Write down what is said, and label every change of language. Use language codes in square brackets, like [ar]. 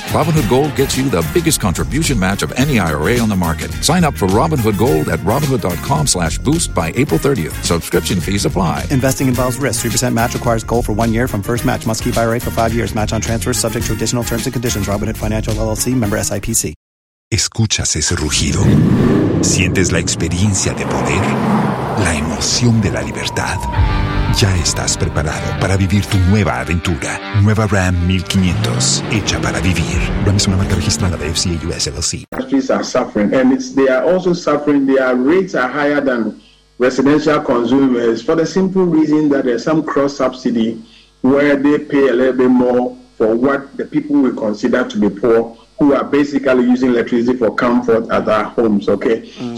[en] Robinhood Gold gets you the biggest contribution match of any IRA on the market. Sign up for Robinhood Gold at Robinhood.com/boost by April 30th. Subscription fees apply. Investing involves risk. 3% match requires gold for 1 year from first match. Must keep IRA for 5 years. Match on transfers subject to additional terms and conditions. Robinhood Financial LLC. Member SIPC. [es] ¿Escuchas ese rugido? ¿Sientes la experiencia de poder? La emoción de la libertad. Ya estás preparado para vivir tu nueva aventura. Nueva Ram 1500, hecha para vivir. Ram es una marca registrada de FCA US LLC. [en] Industries are suffering, and they are also suffering. Their rates are higher than residential consumers for the simple reason that there's some cross subsidy where they pay a little bit more for what the people will consider to be poor, who are basically using electricity for comfort at their homes, okay? Mm.